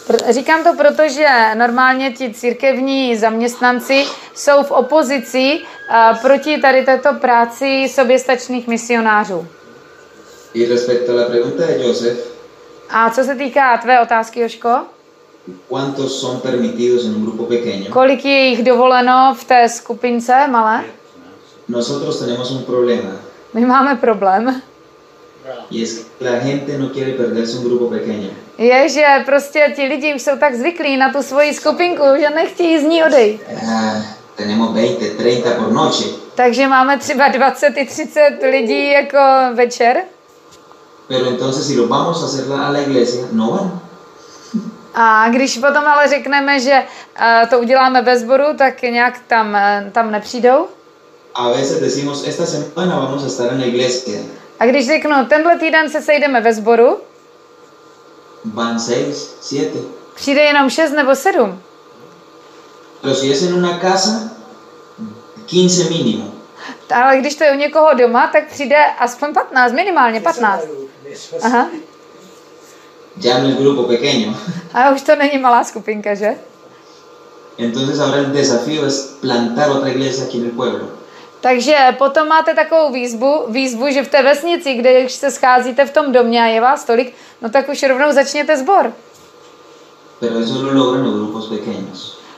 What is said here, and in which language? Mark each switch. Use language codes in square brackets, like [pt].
[cs] Říkám to proto, že normálně ti církevní zaměstnanci jsou v opozici proti tady této práci soběstačných misionářů. [es] Y respecto a la pregunta de Joseph. [cs] A co se týká tvé otázky, Joško? [es] ¿Cuántos son permitidos en un grupo pequeño? [cs] Kolik je jich dovoleno v té skupince malé? [es] Nosotros tenemos un problema. [cs] My máme problém. [es] Y es que la gente no quiere perderse un grupo pequeño. [cs] Je, že prostě ti lidi už jsou tak zvyklí na tu svoji skupinku, že nechtějí z ní odejít. [es] Tenemos 20, 30 por noche. [cs] Takže máme třeba 20 i 30 lidí jako večer. [es] Pero entonces si lo vamos a hacer a la iglesia, no van. [cs] A když potom ale řekneme, že to uděláme ve sboru, tak nějak tam nepřijdou. [es] A veces decimos, esta semana vamos a estar en la iglesia. [cs] A když řeknu, tenhle týden se sejdeme ve sboru. [es] Van 6, 7. [cs] Přijde jenom 6 nebo 7. [es] Pero si es en una casa, 15 mínimo. [cs] Ale když to je u někoho doma, tak přijde aspoň 15, minimálně 15. Aha. [es] Ya no es grupo pequeño. [cs] A už to není malá skupinka, že? [es] Entonces ahora el desafío es plantar otra iglesia aquí en el pueblo. [cs] Takže potom máte takovou výzvu, že v té vesnici, kde už se scházíte v tom domě a je vás tolik, no tak už rovnou začněte sbor. [es] Pero eso lo logran los grupos pequeños.